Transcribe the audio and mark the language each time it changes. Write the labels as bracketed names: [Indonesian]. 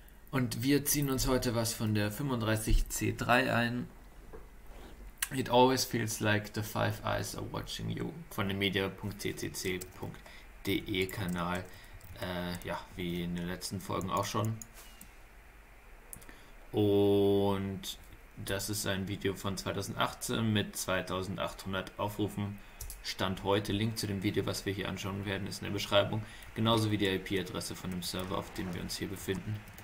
[German] Und wir ziehen uns heute was von der 35C3 ein. [English] It always feels like the five eyes are watching you. [German] Von dem media.ccc.de Kanal. Ja, wie in den letzten Folgen auch schon. Und das ist ein Video von 2018 mit 2800 Aufrufen. Stand heute. Link zu dem Video, was wir hier anschauen werden, ist in der Beschreibung. Genauso wie die IP-Adresse von dem Server, auf dem wir uns hier befinden.